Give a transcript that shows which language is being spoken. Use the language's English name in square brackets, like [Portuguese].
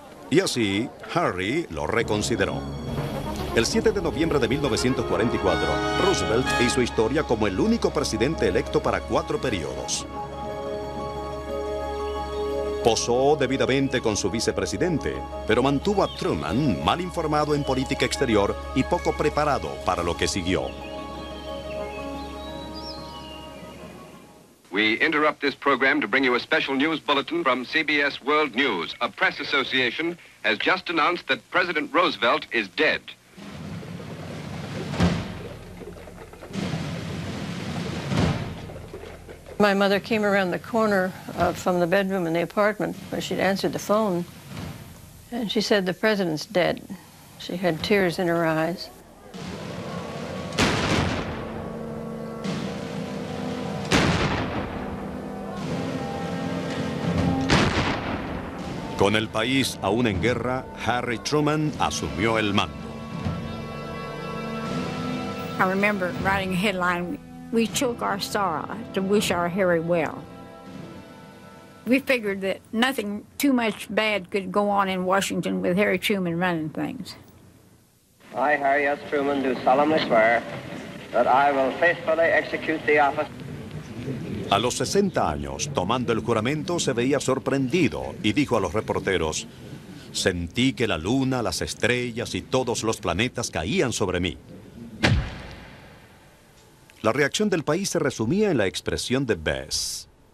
[Spanish] Y así, Harry lo reconsideró. El 7 de noviembre de 1944, Roosevelt hizo historia como el único presidente electo para cuatro periodos. Posó debidamente con su vicepresidente, pero mantuvo a Truman mal informado en política exterior y poco preparado para lo que siguió. [English] We interrupt this program to bring you a special news bulletin from CBS World News. A press association has just announced that President Roosevelt is dead. My mother came around the corner from the bedroom in the apartment where she'd answered the phone, and she said, the president's dead. She had tears in her eyes. [Spanish] Con el país aún en guerra, Harry Truman asumió el mando. [English] I remember writing a headline, we choke our sorrow to wish our Harry well. We figured that nothing too much bad could go on in Washington with Harry Truman running things. I, Harry S. Truman, do solemnly swear that I will faithfully execute the office. [Spanish] A los 60 años, tomando el juramento, se veía sorprendido y dijo a los reporteros, sentí que la luna, las estrellas y todos los planetas caían sobre mí. La reacción del país se resumía en la expresión de Bess.